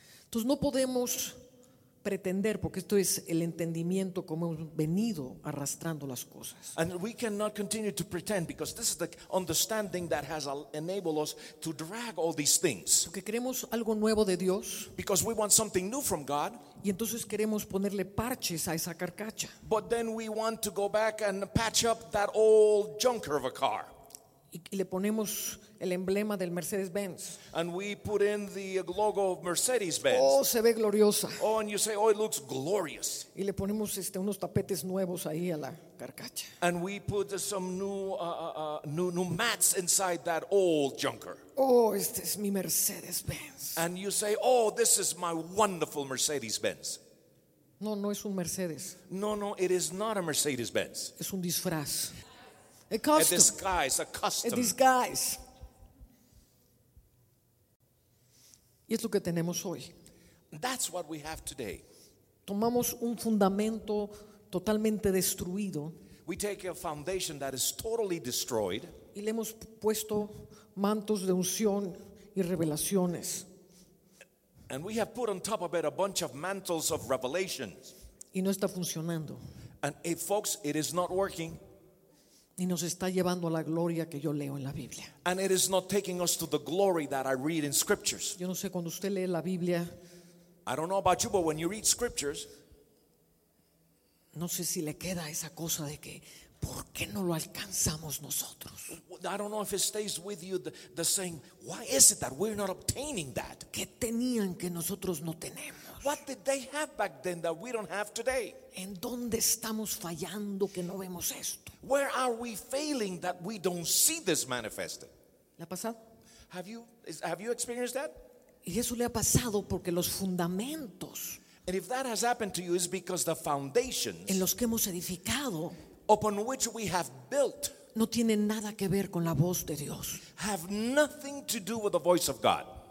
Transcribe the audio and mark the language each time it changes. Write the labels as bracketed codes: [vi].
[es] Entonces no podemos pretender, porque esto es el entendimiento como hemos venido arrastrando las cosas. [en] And we cannot continue to pretend because this is the understanding that has enabled us to drag all these things. [es] Porque queremos algo nuevo de Dios. [en] Because we want something new from God. [es] Y entonces queremos ponerle parches a esa carcacha. [en] But then we want to go back and patch up that old junker of a car. [es] Y le ponemos el emblema del Mercedes Benz. [en] And we put in the logo of Mercedes Benz. [es] Oh, se ve gloriosa. [en] Oh, and you say, oh, it looks glorious. [es] Y le ponemos unos tapetes nuevos ahí a la carcacha. [en] And we put some new mats inside that old junker. [es] Oh, este es mi Mercedes Benz. [en] And you say, oh, this is my wonderful Mercedes Benz. [es] No, no es un Mercedes. [en] No, it is not a Mercedes Benz. [es] Es un disfraz. [en] A disguise. [es] Y es lo que tenemos hoy. [en] That's what we have today. [es] Tomamos un fundamento totalmente destruido. [en] We take a foundation that is totally destroyed. [es] Y le hemos puesto mantos de unción y revelaciones. [en] And we have put on top of it a bunch of mantles of revelations. [es] Y no está funcionando. [en] And folks, it is not working. [es] Y nos está llevando a la gloria que yo leo en la Biblia. [en] And it is not taking us to the glory that I read in scriptures. [es] Yo no sé, cuando usted lee la Biblia, [en] I don't know about you, but when you read scriptures, [es] no sé si le queda esa cosa de que ¿por qué no lo alcanzamos nosotros? [en] I don't know if it stays with you the saying, why is it that we're not obtaining that? [es] ¿Qué tenían que nosotros no tenemos? [en] What did they have back then that we don't have today? [es] ¿En dónde estamos fallando que no vemos esto? [en] Where are we failing that we don't see this manifested? [es] ¿Le ha pasado? [en] Have you experienced that? [es] Y eso le ha pasado porque los fundamentos, [en] and if that has happened to you, it's because the foundations [es] en los que hemos edificado, [en] upon which we have built, [es] no tienen nada que ver con la voz de Dios. [en] Have nothing to do with the voice of God.